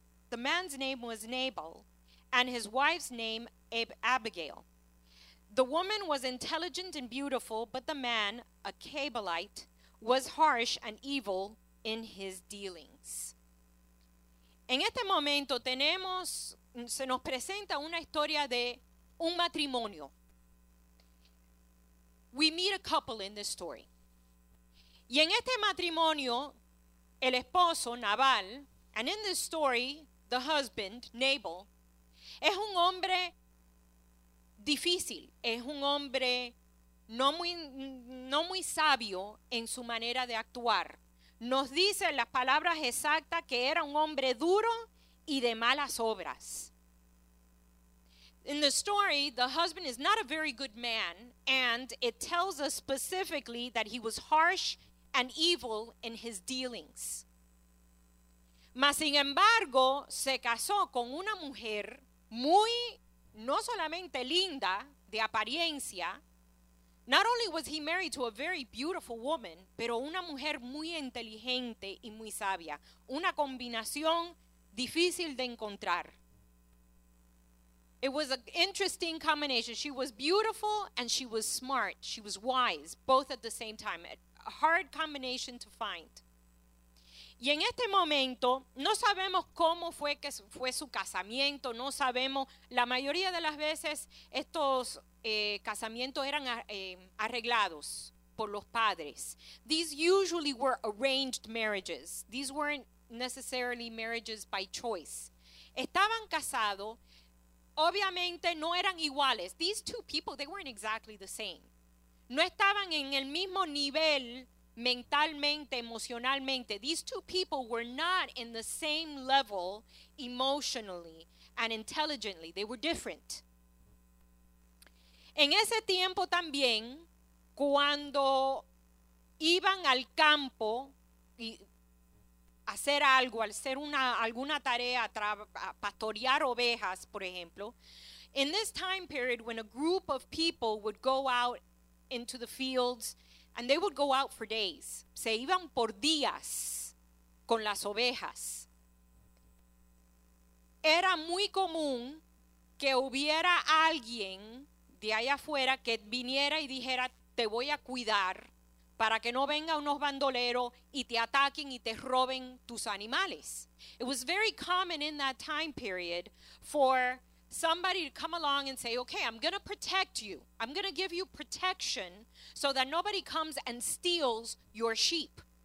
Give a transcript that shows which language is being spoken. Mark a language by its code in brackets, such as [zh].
[en] The man's name was Nabal, and his wife's name Abigail. The woman was intelligent and beautiful, but the man, a Calebite, was harsh and evil in his dealings. [es] En este momento tenemos, se nos presenta una historia de un matrimonio. [en] We meet a couple in this story. [es] Y en este matrimonio, el esposo, Nabal, [en] and in this story, the husband, Nabal, [es] es un hombre difícil, es un hombre no muy sabio en su manera de actuar. Nos dice las palabras exactas que era un hombre duro y de malas obras. [en] In the story, the husband is not a very good man, and it tells us specifically that he was harsh and evil in his dealings. [es] Mas sin embargo, se casó con una mujer muy, no solamente linda, de apariencia. [en] Not only was he married to a very beautiful woman, [es] pero una mujer muy inteligente y muy sabia. Una combinación difícil de encontrar. [en] It was an interesting combination. She was beautiful and she was smart. She was wise, both at the same time. A hard combination to find. [es] Y en este momento no sabemos cómo fue que fue su casamiento, no sabemos. La mayoría de las veces estos casamientos eran arreglados por los padres. [en] These usually were arranged marriages. These weren't necessarily marriages by choice. [es] Estaban casados, obviamente no eran iguales. [en] These two people, they weren't exactly the same. [es] No estaban en el mismo nivel mentalmente, emocionalmente. [en] These two people were not in the same level emotionally and intelligently. They were different. [es] En ese tiempo también, cuando iban al campo y hacer algo, hacer alguna tarea, pastorear ovejas, por ejemplo. [en] In this time period, when a group of people would go out into the fields, and they would go out for days. [es] Se iban por días con las ovejas. Era muy común que hubiera alguien de allá afuera que viniera y dijera, te voy a cuidar para que no vengan unos bandoleros y te ataquen y te roben tus animales. [en] It was very common in that time period for somebody to come along and say, okay, I'm going to protect you. I'm going to give you protection so that nobody comes and steals your sheep.